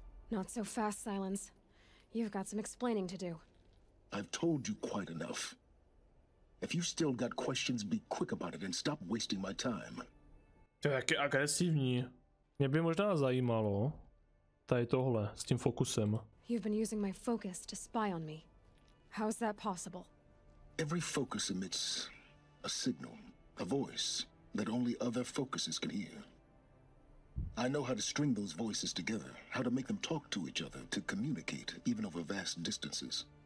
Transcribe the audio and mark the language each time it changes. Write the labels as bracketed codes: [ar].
[en] Not so fast, Silence. You've got some explaining to do. I've told you quite enough. If you still got questions, be quick about it and stop wasting my time. [cs] To je agresivní. Mě by možná zajímalo tady tohle s tím fokusem. [en] You've been using my focus to spy on me. How's that possible? Every focus emits a signal, a voice that only other focuses can hear. I know how to string those voices together, how to make them talk to each other, to communicate, even over vast distances.